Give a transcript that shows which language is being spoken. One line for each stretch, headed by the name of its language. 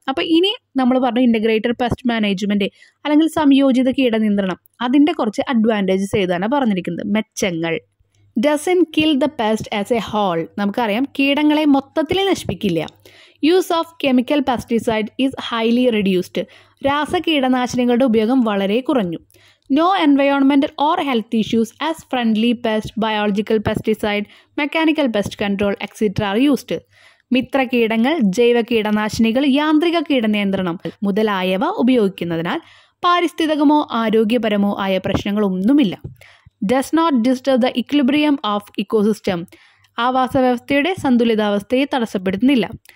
Malayalam: അപ്പോൾ ഇനി നമ്മൾ പറഞ്ഞു ഇൻ്റഗ്രേറ്റഡ് പെസ്റ്റ് മാനേജ്മെൻറ്റ് അല്ലെങ്കിൽ സംയോജിത കീടനിയന്ത്രണം, അതിൻ്റെ കുറച്ച് അഡ്വാൻറ്റേജസ് ഏതാണ് പറഞ്ഞിരിക്കുന്നത്? മെച്ചങ്ങൾ.
English: Doesn't kill the pest as a whole.
Malayalam: നമുക്കറിയാം കീടങ്ങളെ മൊത്തത്തിൽ നശിപ്പിക്കില്ല.
English: Use of chemical pesticide is highly reduced.
Malayalam: രാസ കീടനാശിനികളുടെ ഉപയോഗം വളരെ കുറഞ്ഞു.
English: No environmental or health issues as friendly pest, biological pesticide, mechanical pest control, etc. are used.
Malayalam: Mitra കീടങ്ങൾ, ജൈവ കീടനാശിനികൾ, യാന്ത്രിക കീടനിയന്ത്രണം മുതലായവ ഉപയോഗിക്കുന്നതിനാൽ പാരിസ്ഥിതികമോ ആരോഗ്യപരമോ ആയ പ്രശ്നങ്ങളൊന്നുമില്ല.
English: Does not disturb the equilibrium of ecosystem.
Malayalam: ആവാസ വ്യവസ്ഥയുടെ സന്തുലിതാവസ്ഥയെ തടസ്സപ്പെടുത്തുന്നില്ല.